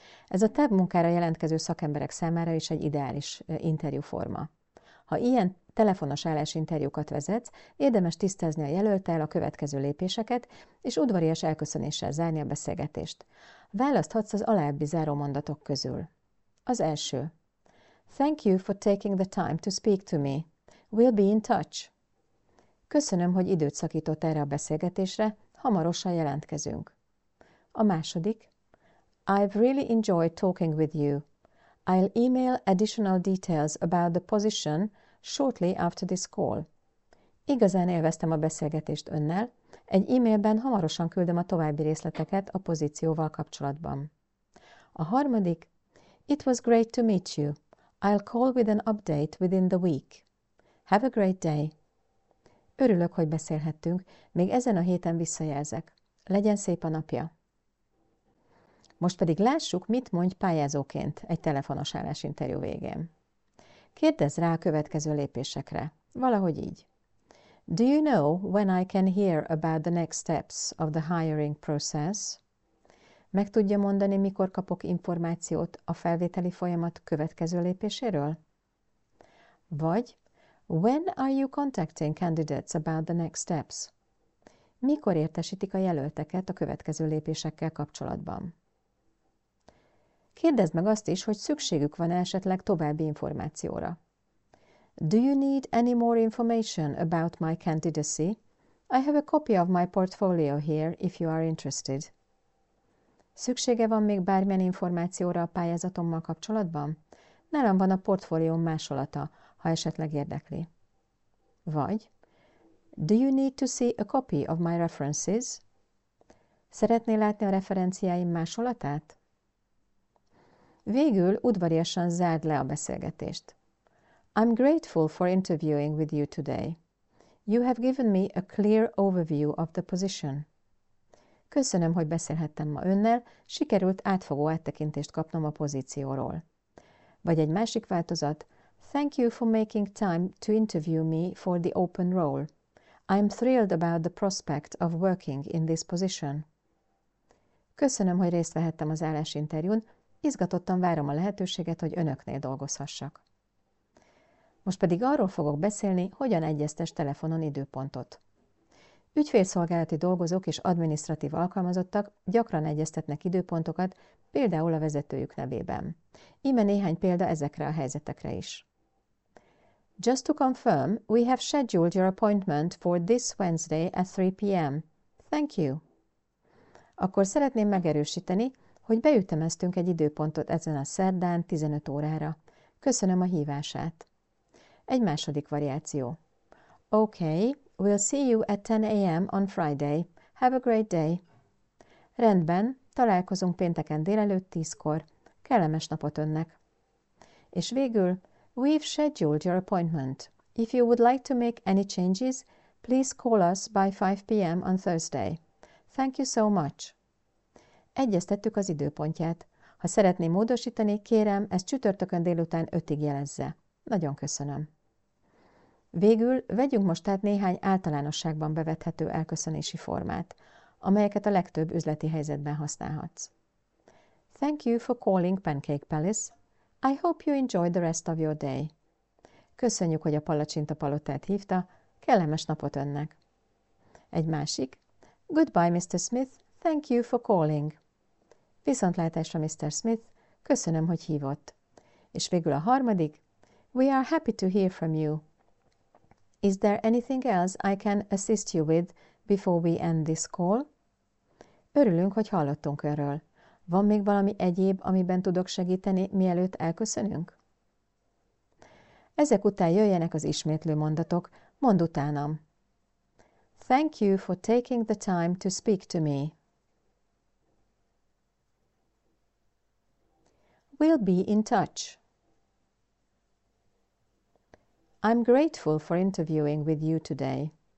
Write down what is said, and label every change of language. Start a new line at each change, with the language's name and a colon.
Hungarian: Ez a TAB munkára jelentkező szakemberek számára is egy ideális interjúforma. Ha ilyen telefonos állásinterjúkat vezetsz, érdemes tisztázni a jelölttel a következő lépéseket, és udvarias elköszönéssel zárni a beszélgetést. Választhatsz az alábbi záró mondatok közül. Az első.
English: Thank you for taking the time to speak to me. We'll be in touch.
Hungarian: Köszönöm, hogy időt szakított erre a beszélgetésre, hamarosan jelentkezünk. A második.
English: I've really enjoyed talking with you. I'll email additional details about the position shortly after this call.
Hungarian: Igazán élveztem a beszélgetést önnel. Egy e-mailben hamarosan küldöm a további részleteket a pozícióval kapcsolatban. A harmadik.
English: It was great to meet you. I'll call with an update within the week. Have a great day.
Hungarian: Örülök, hogy beszélhettünk. Még ezen a héten visszajelzek. Legyen szép a napja. Most pedig lássuk, mit mondj pályázóként egy telefonos állásinterjú végén. Kérdezz rá a következő lépésekre. Valahogy így.
English: Do you know when I can hear about the next steps of the hiring process?
Hungarian: Meg tudja mondani, mikor kapok információt a felvételi folyamat következő lépéséről? Vagy
English: When are you contacting candidates about the next steps?
Hungarian: Mikor értesítik a jelölteket a következő lépésekkel kapcsolatban? Kérdezd meg azt is, hogy szükségük van esetleg további információra.
English: Do you need any more information about my candidacy? I have a copy of my portfolio here if you are interested.
Hungarian: Szüksége van még bármilyen információra a pályázatommal kapcsolatban? Nálam van a portfólióm másolata, ha esetleg érdekli. Vagy
English: do you need to see a copy of my references?
Hungarian: Szeretnél látni a referenciáim másolatát? Végül udvariasan zárd le a beszélgetést.
English: I'm grateful for interviewing with you today. You have given me a clear overview of the position.
Hungarian: Köszönöm, hogy beszélhettem ma önnel, sikerült átfogó áttekintést kapnom a pozícióról. Vagy egy másik változat,
English: thank you for making time to interview me for the open role. I'm thrilled about the prospect of working in this position.
Hungarian: Köszönöm, hogy részt vehettem az állásinterjún, izgatottan várom a lehetőséget, hogy önöknél dolgozhassak. Most pedig arról fogok beszélni, hogyan egyeztes telefonon időpontot. Ügyfélszolgálati dolgozók és adminisztratív alkalmazottak gyakran egyeztetnek időpontokat, például a vezetőjük nevében. Íme néhány példa ezekre a helyzetekre is.
English: Just to confirm, we have scheduled your appointment for this Wednesday at 3 p.m. Thank you.
Hungarian: Akkor szeretném megerősíteni, hogy beütemeztünk egy időpontot ezen a szerdán 15 órára. Köszönöm a hívását. Egy második variáció.
English: Okay, we'll see you at 10 a.m. on Friday. Have a great day.
Hungarian: Rendben, találkozunk pénteken délelőtt 10-kor. Kellemes napot önnek. És végül,
English: we've scheduled your appointment. If you would like to make any changes, please call us by 5 p.m. on Thursday. Thank you so much.
Hungarian: Egyeztettük az időpontját. Ha szeretné módosítani, kérem, ezt csütörtökön délután 5-ig jelezze. Nagyon köszönöm. Végül vegyünk most át néhány általánosságban bevethető elköszönési formát, amelyeket a legtöbb üzleti helyzetben használhatsz.
English: Thank you for calling Pancake Palace. I hope you enjoy the rest of your day.
Hungarian: Köszönjük, hogy a palacsinta palotát hívta. Kellemes napot önnek. Egy másik. Goodbye, Mr. Smith.
English: Thank you for calling.
Hungarian: Viszontlátásra,
English: Mr. Smith.
Hungarian: Köszönöm, hogy hívott. És végül a harmadik.
English: We are happy to hear from you. Is there anything else I can assist you with before we end this call?
Hungarian: Örülünk, hogy hallottunk erről. Van még valami egyéb, amiben tudok segíteni, mielőtt elköszönünk? Ezek után jöjjenek az ismétlő mondatok. Mondd utánam.
English: Thank you for taking the time to speak to me. We'll be in touch. I'm grateful for interviewing with you today.